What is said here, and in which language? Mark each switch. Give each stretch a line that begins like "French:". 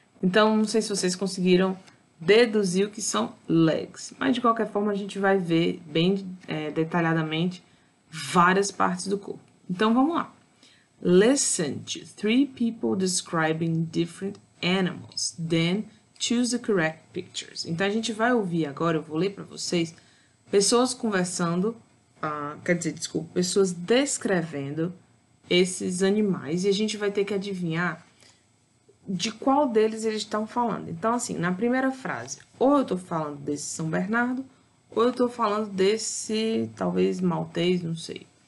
Portuguese: Então, não sei se vocês conseguiram deduzir o que são legs, mas de qualquer forma a gente vai ver bem detalhadamente várias partes do corpo. Então, vamos lá.
English: Listen to three people describing different animals, then choose the correct pictures.
Portuguese: Então, a gente vai ouvir agora, eu vou ler para vocês. Pessoas conversando, quer dizer, desculpa, pessoas descrevendo esses animais e a gente vai ter que adivinhar de qual deles eles estão falando. Então, assim, na primeira frase, ou eu estou falando desse São Bernardo, ou eu estou falando desse, talvez, Maltês, não sei.